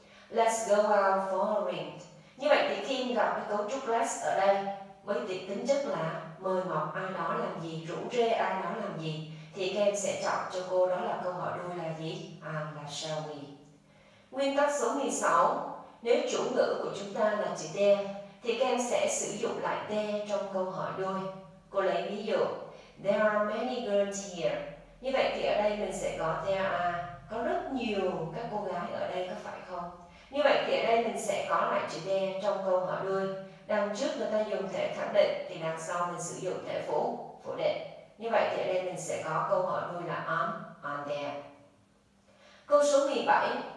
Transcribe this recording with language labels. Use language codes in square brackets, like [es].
[en] Let's go out for a drink. [vi] Như vậy thì khi gặp cái cấu trúc let's ở đây với tính chất là mời mọc ai đó làm gì, rủ rê ai đó làm gì, thì các em sẽ chọn cho cô đó là câu hỏi đuôi là gì? Là [en] shall we. [vi] Nguyên tắc số 16. Nếu chủ ngữ của chúng ta là chữ there thì các em sẽ sử dụng lại there trong câu hỏi đuôi. Cô lấy ví dụ. [en] There are many girls here. [vi] Như vậy thì ở đây mình sẽ có [en] there are. [vi] Có rất nhiều các cô gái ở đây, có phải không? Như vậy thì ở đây mình sẽ có lại chữ there trong câu hỏi đuôi. Đằng trước người ta dùng thể khẳng định thì đằng sau mình sử dụng thể phủ định. Như vậy thì ở đây mình sẽ có câu hỏi đuôi là [en] are there. [vi] Câu số 17.